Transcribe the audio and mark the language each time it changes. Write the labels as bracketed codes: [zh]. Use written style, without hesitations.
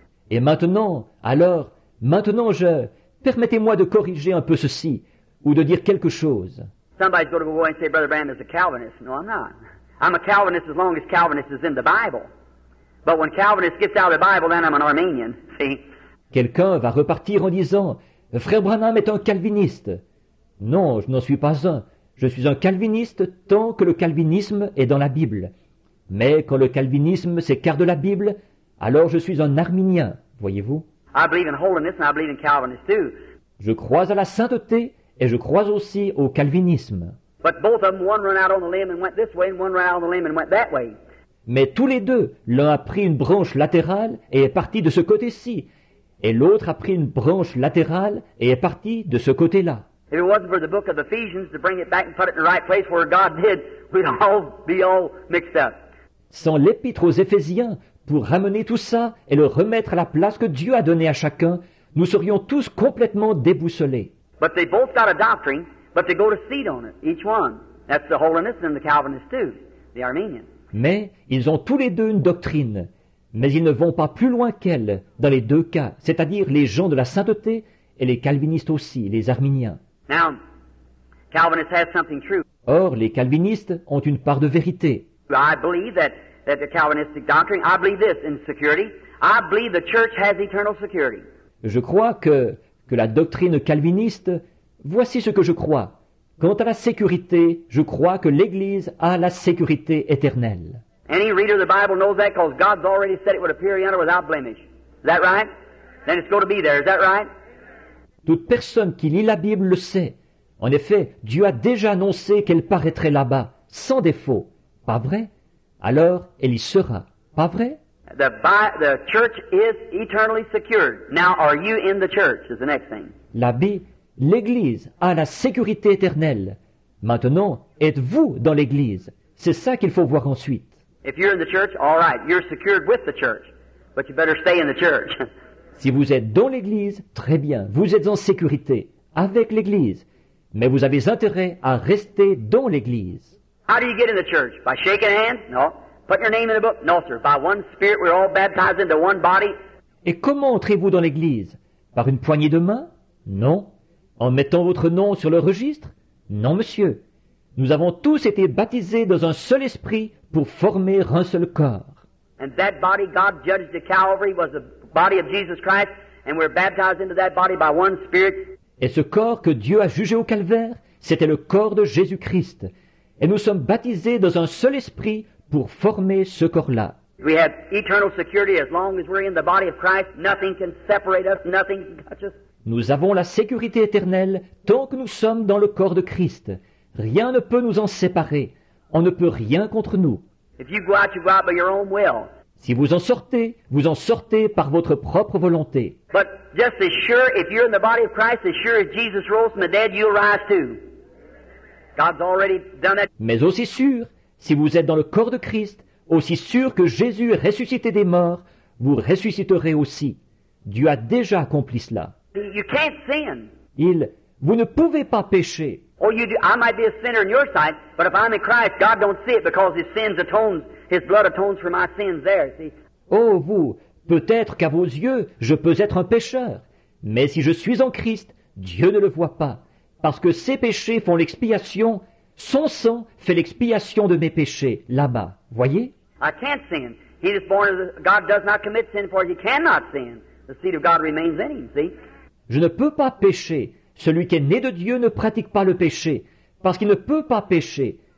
[fr] Et maintenant, alors, maintenant je... Permettez-moi de corriger un peu ceci, ou de dire quelque chose. [en] Somebody's going to go and say, Brother Branham is a Calvinist. No, I'm not. I'm a Calvinist as long as Calvinist is in the Bible. But when Calvinist gets out of the Bible, then I'm an Arminian, see? [fr] Quelqu'un va repartir en disant, Frère Branham est un calviniste. Non, je n'en suis pas un. Je suis un calviniste tant que le calvinisme est dans la Bible. Mais quand le calvinisme s'écarte de la Bible, alors je suis un Arminien, voyez-vous? [en] I believe in holiness and I believe in Calvinism too. [fr] Je crois à la sainteté et je crois aussi au calvinisme. [en] But both of them, one ran out on the limb and went this way, and one ran out on the limb and went that way. [fr] Mais tous les deux, l'un a pris une branche latérale et est parti de ce côté-ci, et l'autre a pris une branche latérale et est parti de ce côté-là. [en] If it wasn't for the book of Ephesians to bring it back and put it in the right place where God did, we'd all be all mixed up. [fr] Sans l'épître aux Éphésiens pour ramener tout ça et le remettre à la place que Dieu a donnée à chacun, nous serions tous complètement déboussolés. [en] But they both got a doctrine, but they go to seed on it, each one. That's the Holiness and the Calvinist too, the Armenian. [fr] Mais ils ont tous les deux une doctrine, mais ils ne vont pas plus loin qu'elle dans les deux cas, c'est-à-dire les gens de la sainteté et les calvinistes aussi, les arméniens. [en] Now, Calvinists have something true. [fr] Or, les calvinistes ont une part de vérité. [en] I believe that the Calvinistic doctrine, I believe this in security, I believe the church has eternal security. [fr] Je crois que la doctrine calviniste, voici ce que je crois. Quant à la sécurité, je crois que l'Église a la sécurité éternelle. [en] Any reader of the Bible knows that because God's already said it would appear yonder without blemish. Is that right? Then it's going to be there. Is that right? [fr] Toute personne qui lit la Bible le sait. En effet, Dieu a déjà annoncé qu'elle paraîtrait là-bas, sans défaut. Pas vrai? Alors, elle y sera. Pas vrai? [en] The church is eternally secured. Now, are you in the church? Is the next thing. [fr] L'Église a la sécurité éternelle. Maintenant, êtes-vous dans l'Église? C'est ça qu'il faut voir ensuite. [en] If you're in the church, all right, you're secured with the church. But you better stay in the church. [fr] Si vous êtes dans l'Église, très bien, vous êtes en sécurité, avec l'Église. Mais vous avez intérêt à rester dans l'Église. [en] How do you get in the church? By shaking hands? No. Putting your name in a book? No, sir. By one spirit, we're all baptized into one body. [fr] Et comment entrez-vous dans l'Église? Par une poignée de main? Non. En mettant votre nom sur le registre? Non, monsieur. Nous avons tous été baptisés dans un seul esprit pour former un seul corps. [en] And that body God judged at Calvary was the body of Jesus Christ, and we're baptized into that body by one spirit. [fr] Et ce corps que Dieu a jugé au calvaire, c'était le corps de Jésus-Christ. Et nous sommes baptisés dans un seul esprit pour former ce corps-là. [en] We have eternal security as long as we're in the body of Christ. Nothing can separate us. Nothing can touch us. [fr] Nous avons la sécurité éternelle tant que nous sommes dans le corps de Christ. Rien ne peut nous en séparer. On ne peut rien contre nous. [en] If you go out, you go out by your own will. [fr] Si vous en sortez, vous en sortez par votre propre volonté. [en] But just as sure, if you're in the body of Christ, as sure as Jesus rose from the dead, you'll rise too. God's already done that. [fr] Mais aussi sûr, si vous êtes dans le corps de Christ, aussi sûr que Jésus est ressuscité des morts, vous ressusciterez aussi. Dieu a déjà accompli cela. [en] You can't sin. [fr] Vous ne pouvez pas pécher. [en] Oh, you do. I might be a sinner in your sight, but if I'm in Christ, God don't see it because His sins atones, His blood atones for my sins there. See? [fr] Oh, vous, peut-être qu'à vos yeux, je peux être un pécheur, mais si je suis en Christ, Dieu ne le voit pas, parce que ses péchés font l'expiation, son sang fait l'expiation de mes péchés là-bas. Voyez? [en] I can't sin. He is born of God does not commit sin, for he cannot sin. The seed of God remains in him. See? [fr] Je ne peux pas pécher. Celui qui est né de Dieu ne pratique pas le péché, parce qu'il ne peut pas pécher.